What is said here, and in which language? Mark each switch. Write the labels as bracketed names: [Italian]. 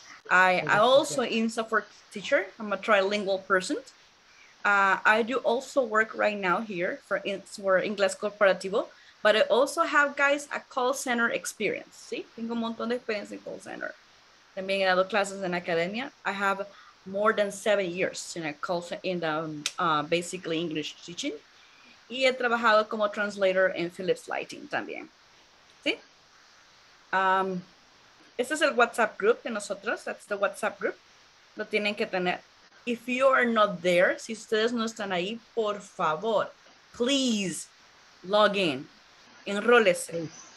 [English] I also am a software teacher. I'm a trilingual person. I do also work right now here for Inglés Corporativo, but I also have, guys, a call center experience. ¿Sí? [Spanish] Tengo un montón de experiencia en call center. También he dado clases en academia. [English] I have more than 7 years in a call center, in the basically English teaching. [Spanish] Y he trabajado como translator en Philips Lighting también. ¿Sí? Este es el WhatsApp group de nosotros. [English] That's the WhatsApp group. [Spanish] Lo tienen que tener. [English] If you are not there, [Spanish] si ustedes no están ahí, por favor, [English] please log in, [Spanish] enrólese.